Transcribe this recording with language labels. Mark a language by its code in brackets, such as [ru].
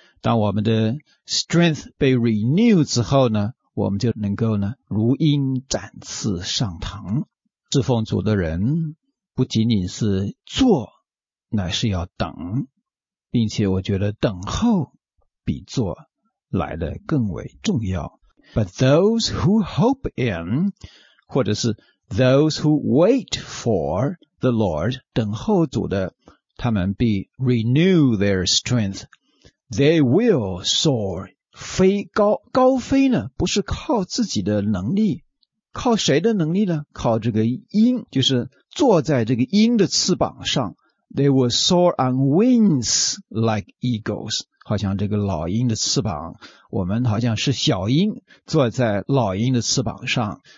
[zh] 当我们的 strength 被 renew 之后呢，我们就能够呢如鹰展翅上腾。侍奉主的人不仅仅是做，乃是要等，并且我觉得等候比做来得更为重要。 [en] But those who hope in， [zh] 或者是 [en] Those who wait for the Lord, [zh] 等候主的，他们必 [en] renew their strength. They will soar. [zh] 飞高，高飞呢，不是靠自己的能力，靠谁的能力呢？靠这个鹰，就是坐在这个鹰的翅膀上。 [en] They will soar on wings like eagles. [zh] 好像这个老鹰的翅膀，我们好像是小鹰，坐在老鹰的翅膀上。